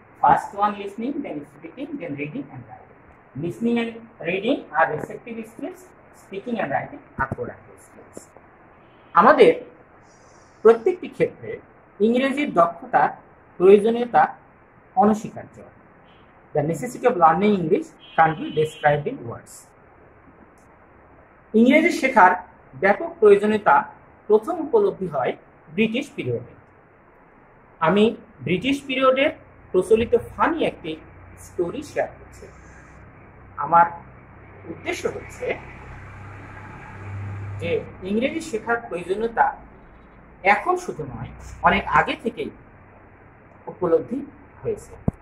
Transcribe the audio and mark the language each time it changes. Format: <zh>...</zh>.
<en>First one listening, then speaking, then reading and writing. Listening and reading are receptive skills, speaking and writing are productive skills.</en> <bn>আমাদের প্রত্যেকটি ক্ষেত্রে ইংরেজির দক্ষতা প্রয়োজনীয়তা অনস্বীকার্য।</bn> <en>The necessity of learning English can't be described in words.</en> <bn>ইংরেজি শেখার ব্যাপক প্রয়োজনীয়তা প্রথম উপলব্ধি হয় ব্রিটিশ পিরিয়ডে। আমি ব্রিটিশ পিরিয়ডের প্রচলিত ফানি একটি স্টোরি শেয়ার করছি। আমার উদ্দেশ্য হচ্ছে যে ইংরেজি শেখার প্রয়োজনীয়তা এখন শুধু নয়, অনেক আগে থেকেই উপলব্ধি হয়েছে।</bn>